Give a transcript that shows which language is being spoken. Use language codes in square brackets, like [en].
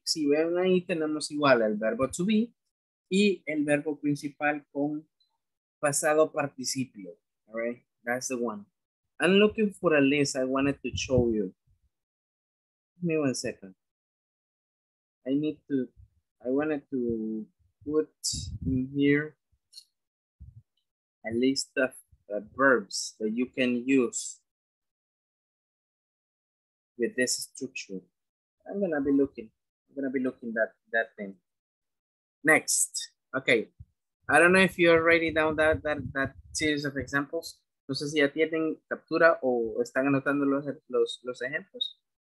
[es] Si ven ahí, tenemos igual el verbo to be y el verbo principal con pasado participio, [en] all right? That's the one. I'm looking for a list I wanted to show you. Give me 1 second. I wanted to put in here a list of verbs that you can use with this structure. I'm gonna be looking that thing. Next, okay. I don't know if you are writing down that series of examples. [es] No sé si ya tienen captura o están anotando los ejemplos.